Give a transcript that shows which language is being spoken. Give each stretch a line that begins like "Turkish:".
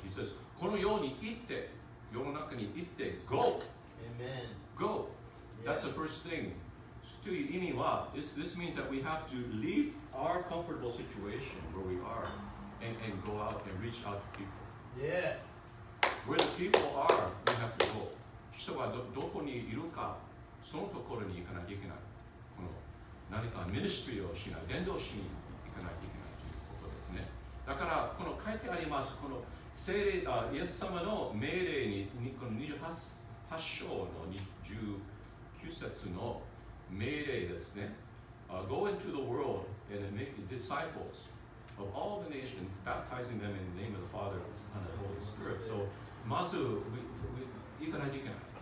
English: He says,
Japanese: このように言って、世の中に言って、
English: Go! Amen. Go! That's the first thing.
Japanese: という意味は、
English: this means that we have to leave our comfortable situation where we are and go out and reach out to people. Yes! Where the people are, we have to go.
Japanese: 人はどこにいるか、そのところに行かなきゃいけない。何かミニストリーをしない、伝道しに行かないといけないということですね。だから、この書いてあります、この聖霊、イエス様の命令に、この28章の29節の命令ですね。
English: Go into the world and make disciples of all the nations, baptizing them in the name of the Father and the Holy Spirit. So,
Japanese: まず、行かないといけない。